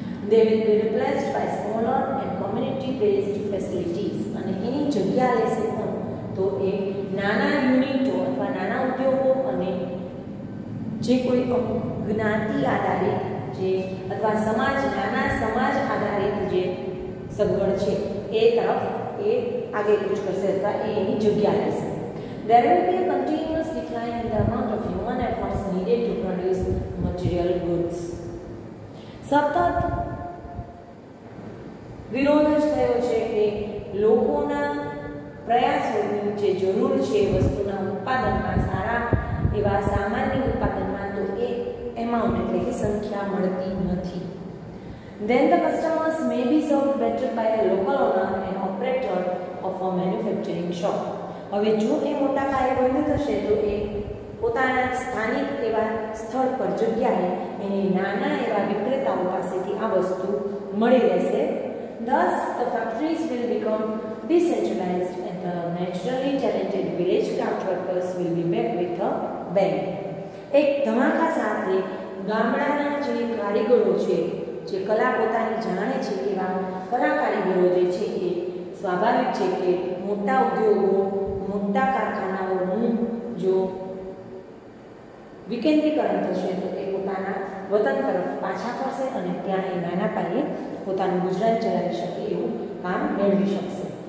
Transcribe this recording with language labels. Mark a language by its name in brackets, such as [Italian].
[English] they will be replaced by smaller and community based facilities, [Gujarati] અને એની જગ્યા લેશે પણ તો એ નાના યુનિટો અથવા નાના ઉદ્યોગો અને જે કોઈ જ્ઞાતિ આધારિત જે અથવા સમાજ નાના સમાજ આધારિત જે સગવડ છે એ તરફ એ આગળ કુછ કરશે અથવા એની જગ્યા લેશે. [English] There will be a continuous decline in the amount of human efforts needed to produce material goods. [Gujarati] સતત વિરોધ જ થયો છે કે લોકોના પ્રયાસોની જે જરૂર છે વસ્તુના ઉત્પાદનમાં સારા એવા સામાન્ય ઉત્પાદનમાં તો એ એમાઉન્ટ એટલે કે સંખ્યા મળતી નથી. [English] Then the customers may be served better by a local owner and operator of a manufacturing shop. [Gujarati] હવે જો એ મોટા પાયે બંધ થશે તો એ પોતાના સ્થાનિક એવા સ્થળ પર જગ્યાએ એને નાના એવા વિક્રેતાઓ પાસેથી આ વસ્તુ મળી રહેશે. [English] Thus, the factories will become decentralized and the naturally talented village craft workers will be back with a bang. [Gujarati] એક ધમાકા સાથે ગામડાના જે કારીગરો છે જે કલા પોતાની જાણે છે એવા કલા કારીગરો જે છે એ સ્વાભાવિક છે કે મોટા ઉદ્યોગો મોટા કારખાનાઓનું જો વિકેન્દ્રીકરણ થશે તો એ પોતાના વતન તરફ પાછા ફરશે અને ત્યાં એ નાના પાયે પોતાનું ગુજરાન ચલાવી શકે એવું કામ મેળવી શકશે.